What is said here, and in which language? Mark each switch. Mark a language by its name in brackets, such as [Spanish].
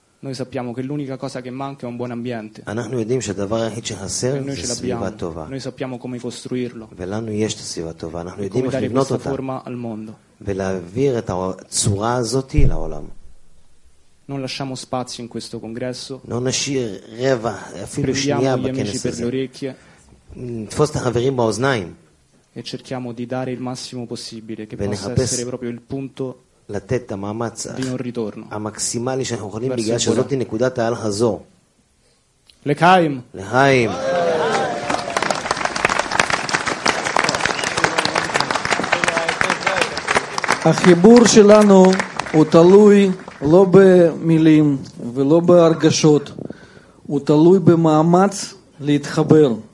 [Italian] Noi sappiamo che l'unica cosa che manca è un buon ambiente. [Hebrew] אנחנו יודעים שהדבר היחיד שחסר זה סביבה טובה. [Italian] Noi sappiamo come costruirlo. [Hebrew] ולנו יש את הסביבה טובה. אנחנו יודעים איך לבנות אותה. [Italian] Forma al mondo. [Hebrew] ולהעביר את הצורה הזאת לעולם. [Italian] Non lasciamo spazio in questo congresso. [Hebrew] Non נשאיר רבע, אפילו שנייה בכנס הזה. [Italian] Prendiamo gli amici per le orecchie. [Hebrew] תפוס את החברים באוזניים. [Italian] E cerchiamo di dare il massimo possibile, che possa essere proprio il punto [Hebrew] לתת את המאמץ [Italian] di un ritorno. [Hebrew] המקסימלי שאנחנו יכולים בגלל שזאת נקודת העל הזו. לחיים. לחיים. החיבור שלנו הוא תלוי לא במילים ולא בהרגשות, הוא תלוי במאמץ להתחבר.